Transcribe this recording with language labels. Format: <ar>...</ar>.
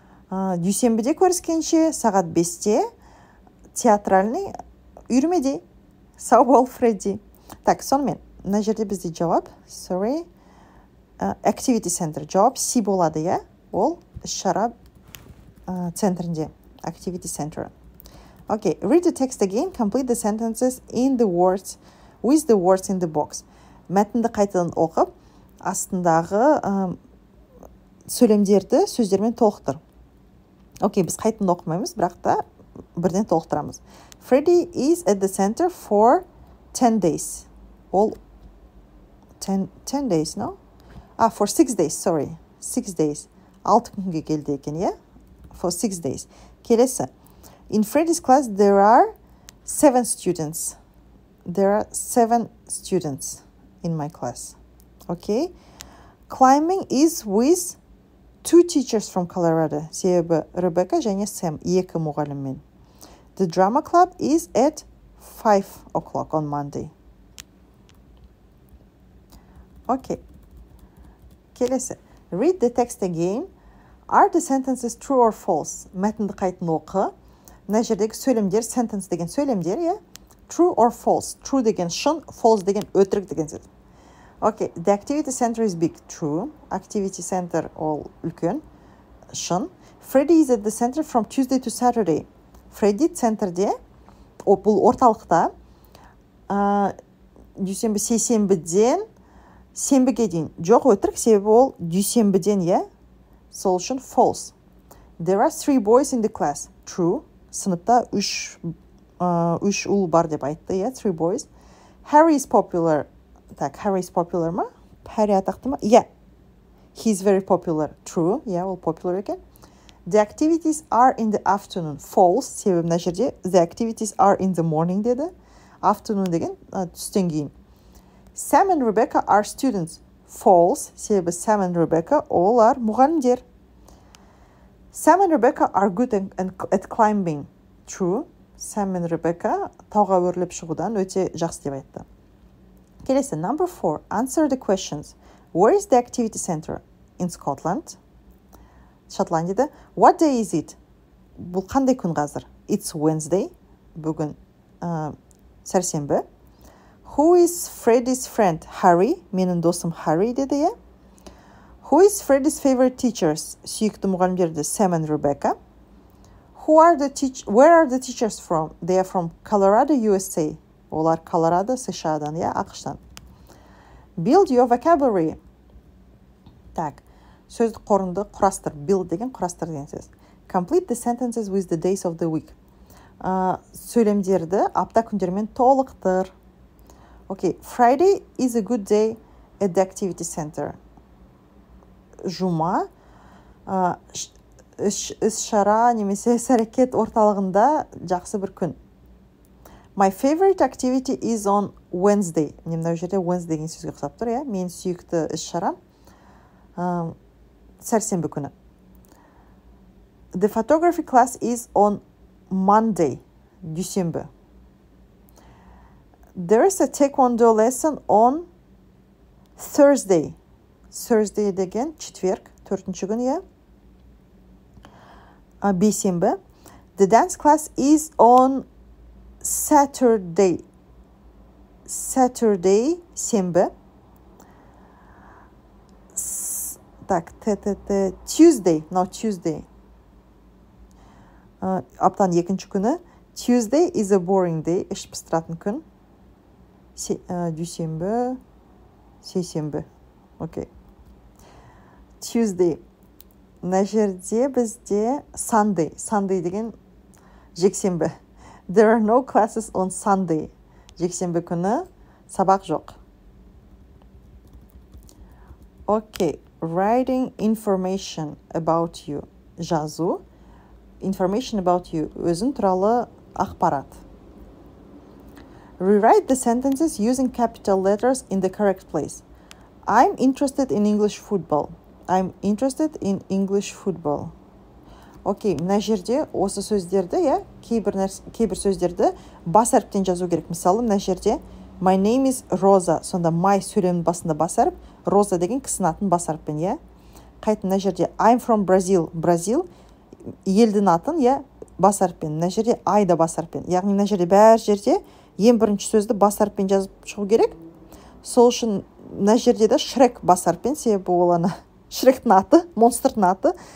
<kk>Дүйсенбіде көріскенше, сағат 5-те театральный үйірмеде. Сау бол, Фредди. Так, сонымен, мына жерде бізде жауап, sorry, activity center, жауап C болады, я, ол шара центрінде, activity center.</kk> <en>Okay, read the text again, complete the sentences in the words with the words in the box.</en> <kk>мәтінді қайтадан оқып, астындағы сөйлемдерді сөздермен толықтыр. Окей, біз қайтадан оқымаймыз, бірақ та бірден толықтырамыз.</kk> <en>Freddy is at the center for 10 days. All 10 days, no? Ah, for 6 days, sorry. 6 days.</en> <kk>6 күнге келді екен, yeah?</kk> <en>For 6 days.</en> <kk>Келесі.</kk> <en>In Freddy's class, there are 7 students. There are 7 students in my class. Okay? Climbing is with 2 teachers from Colorado.</en> <kk>Себебі Ребекка және Сэм, 2 мұғаліммен.</kk> <en>The drama club is at 5 o'clock on Monday. Okay.</en> <kk>Келесі.</kk> <en>Read the text again. Are the sentences true or false?</en> <kk>Мәтінді қайтын оқы. Мына жердегі сөйлемдер, sentence деген сөйлемдер, иә?</kk> <en>True or false?</en> <kk>True деген шын, false деген өтірік деген сөз.</kk> <en>Okay, the activity center is big. True.</en> <kk>Activity center ол үлкен. Шын.</kk> <en>Freddy is at the center from Tuesday to Saturday.</en> <kk>Freddy центрде, бұл орталықта, дүйсенбі, сейсенбіден, сенбіге дейін. Жоқ, өтірік, себебі ол дүйсенбіден, иә?</kk> <en>Solution, false. There are 3 boys in the class.</en> <kk>True. Сыныпта 3 ұл бар деп айтты, иә?</kk> <en>3 boys. Harry is popular. Так, Harry is popular ма? Harry</en> <kk>атақты ма?</kk> <en>Yeah. He is very popular. True. Yeah,</en> <kk>ол popular екен.</kk> <en>The activities are in the afternoon. False.</en> <kk>Себебі мына жерде</kk> <en>the activities are in the morning деді.</en> <kk>Afternoon деген түстен кейін.</kk> <en>Sam and Rebecca are students. False.</en> <kk>Себебі Sam and Rebecca олар мұғалімдер.</kk> <en>Sam and Rebecca are good at climbing. True.</en> <kk>Sam and Rebecca тауға өрліп шығудан өте жақсы деп айтты. Келесі.</kk> <en>Number 4. Answer the questions. Where is the activity center? In Scotland.</en> <kk>Шотландияда.</kk> <en>What day is it?</en> <kk>Бұл қандай күн қазір?</kk> <en>It's Wednesday.</en> <kk>Бүгін сәрсенбі.</kk> <en>Who is Freddy's friend? Harry.</en> <kk>Менің досым Harry деді, е?</kk> <en>Who is Freddy's favorite teachers?</en> <kk>Сүйікті мұғалімдерді</kk> <en>Sam and Rebecca. Where are the teachers from? They are from Colorado, USA.</en> <kk>Олар Colorado, США-дан, е?</kk> <en>Ақыштан. Build your vocabulary. Так.</en> <kk>Сөзді қорынды құрастыр. Build деген құрастыр деген сөз.</kk> <en>Complete the sentences with the days of the week.</en> <kk>Сөйлемдерді апта күндермен толықтыр.</kk> <en>Okay, Friday is a good day at the activity center.</en> <kk>Жұма, іс-шара немесе іс-әрекет орталығында жақсы бір күн.</kk> <en>My favorite activity is on Wednesday.</en> <kk>Немнау жерде Wednesday деген сөзге қысап тұр, е? Мен сүйікті іс-шара. Сәрсенбі күні.</kk> <en>The photography class is on Monday,</en> <kk>дүйсенбі.</kk> <en>There is a taekwondo lesson on Thursday.</en> <kk>Thursday деген четверг, 4-ші күн, иә? Бейсенбі.</kk> <en>The dance class is on Saturday. Saturday,</en> <kk>сенбі.</kk> <en>Так, Tuesday, no, Tuesday.</en> <kk>Аптан 2-ші күні.</kk> <en>Tuesday is a boring day,</en> <kk>іш пыстыратын күн. Дүйсенбі, сейсенбі. Окей. Tuesday. На жерде бізде Sunday. Sunday деген жексенбі.</kk> <en>There are no classes on Sunday.</en> <kk>Жексенбі күні сабақ жоқ. Окей.</kk> <en>Writing information about you.</en> <kk>Жазу.</kk> <en>Information about you.</en> <kk>Өзің туралы ақпарат.</kk> <en>Rewrite the sentences using capital letters in the correct place. I'm interested in English football. I'm interested in English football.</en> <kk>Окей, мына жерде осы сөздерді, иә, кейбір сөздерді бас әріптен жазу керек. Мысалы, мына жерде</kk> <en>my name is Rosa.</en> <kk>Сонда my сөйлемнің басында бас әріп, Rosa деген кісінің атын бас әріппен, иә. Қайтып, мына жерде</kk> <en>I'm from Brazil.</en> <kk>Brazil елдің атын, иә, бас әріппен. Мына жерде I да бас әріппен. Яғни, мына жерде бәр жерде ең бірінші сөзді бас әріппен жазып шығу керек. Сол үшін мына жерде де Шрек бас әріппен, себебі ол ана Шректің аты, монстрдің аты.</kk>